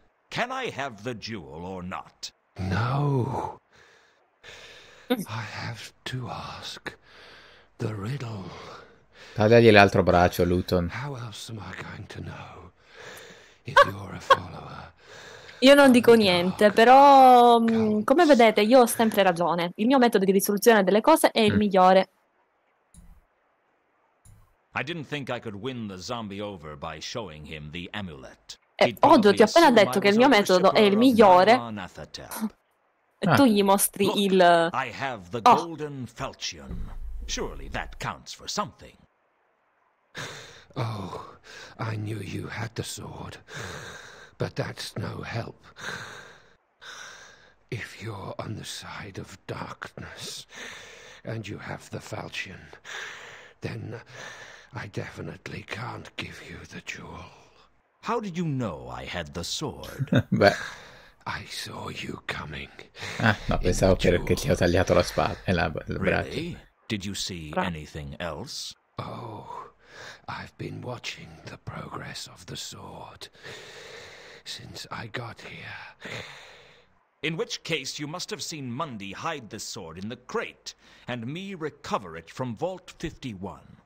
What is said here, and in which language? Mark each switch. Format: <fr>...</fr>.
<en>Can I have the jewel or not? No. I have to ask the riddle.</en> <it>Tagliagli l'altro braccio, Luton.</it> <en>How else am I going to know if you're a follower?</en> <it>Io non dico niente, però come vedete io ho sempre ragione. Il mio metodo di risoluzione delle cose è il migliore.</it> <en>I didn't think I could win the zombie over by showing him the amulet.</en> <it>Oddo, ti ho appena detto che il mio metodo è il migliore. Tu gli mostri il...</it> <en>I have the golden falchion. Surely that counts for something. Oh, I knew you had the sword. But that's no help. If you're on the side of darkness and you have the falchion, then I definitely can't give you the jewel. How did you know I had the sword? Beh. I saw you coming.</en> <it>Ah, ma pensavo che ti ho tagliato la spada e il braccio.</it> <en>Really? Did you see anything else? Oh, I've been watching the progress of the sword since I got here. In which case you must have seen Mundy hide the sword in the crate and me recover it from Vault 51.</en>